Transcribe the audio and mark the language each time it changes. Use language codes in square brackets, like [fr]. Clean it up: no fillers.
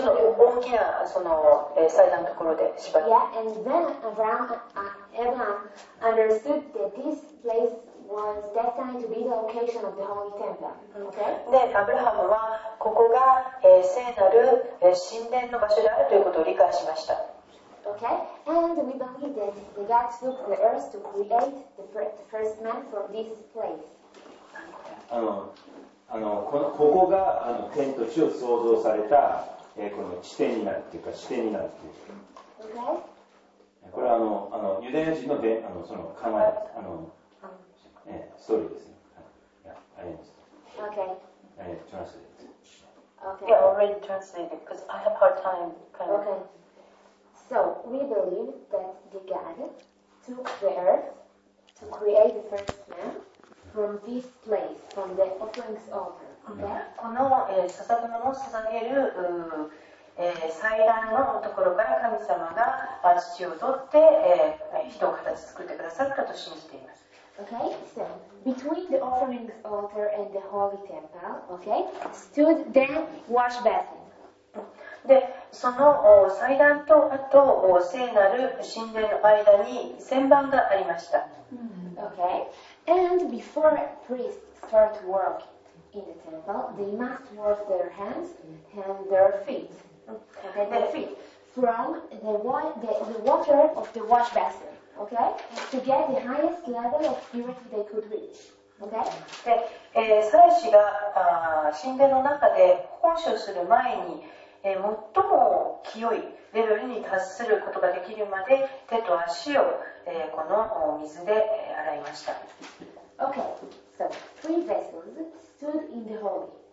[ja] ちょっと大きなその、祭壇のところで縛った。 [en] Yeah, and then Abraham understood that this place was destined to be the location of the holy temple. Okay. [ja] で、アブラハムはここが、聖なる、神殿の場所であるということを理解しました。 [en] Okay. And we believe that God took the earth to create the first man from this place. [ja] ここが天と地を創造された、この地点になるというか地点になるという、 [en] okay. [ja] これはユダヤ人の伝その考えストーリーですね。ありがとうございます。トランスレート。 [en] Okay. Yeah, already translated because I have hard time kind of. Okay. So we believe that the God took the earth to create the first man. From this place, from the offerings altar. [ja] この、捧げ物を捧げる、祭壇のところから神様が土を取って、人を形作ってくださったと信じています。 [en] Okay, so between the offerings altar and the holy temple, okay, stood the wash basin. [ja] で、その祭壇とあと聖なる神殿の間に旋盤がありました。 [en] Okay. And before priests start to work in the temple, they must wash their hands and their feet. Okay, their feet from the water of the wash basin. Okay, to get the highest level of purity they could reach. Okay. [ja] で、祭司が神殿の中で奉仕する前に、最も清いレベルに達することができるまで手と足を、この水で洗いました。 [en] Okay, so three vessels stood in the holy.